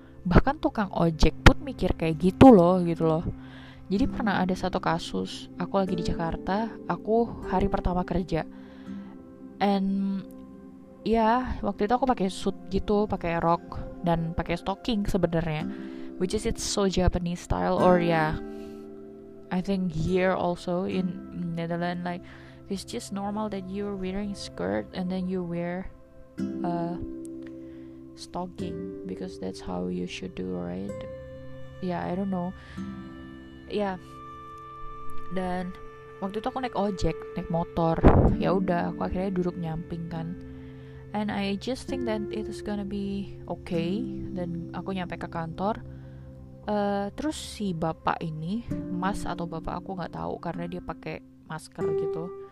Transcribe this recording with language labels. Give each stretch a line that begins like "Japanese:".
Indonesian: Bahkan tukang ojek pun mikir kayak gitu loh, gitu loh. Jadi pernah ada satu kasus, aku lagi di Jakarta, aku hari pertama kerja. And ya, waktu itu aku pakai suit gitu, pakai rok dan pakai stocking sebenarnya.
English: Which is it's so Japanese style, or yeah. I think here also in Netherlands, like it's just normal that you're wearing skirt and then you wear stocking because that's how you should do, right? Yeah, I don't know. Yeah.
Indonesian: Dan waktu itu aku naik ojek, naik motor. Ya udah, aku akhirnya duduk nyamping kan.
English: And I just think that it is gonna be okay.
Indonesian: Dan aku nyampe ke kantor. Terus si bapak ini, mas atau bapak aku nggak tahu karena dia pakai masker gitu.